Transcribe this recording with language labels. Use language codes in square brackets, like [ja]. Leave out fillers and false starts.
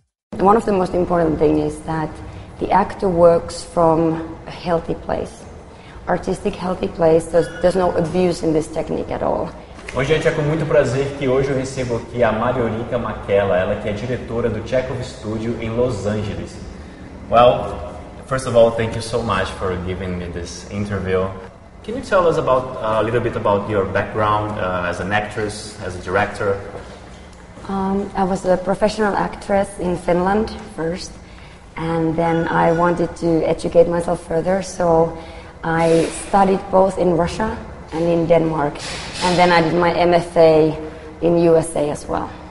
[en] One of the most important things is that the actor works from a healthy place. Artistic healthy place, there's no abuse in this technique at all. [pt] Oi gente, é com muito prazer que hoje eu recebo aqui a Marjo-Riikka, ela que é diretora do Chekhov Studio em Los Angeles. [en] Well, first of all, thank you so much for giving me this interview. Can you tell us about a little bit about your background as an actress, as a director? I was a professional actress in Finland first, and then I wanted to educate myself further, so I studied both in Russia and in Denmark, and then I did my MFA in USA as well.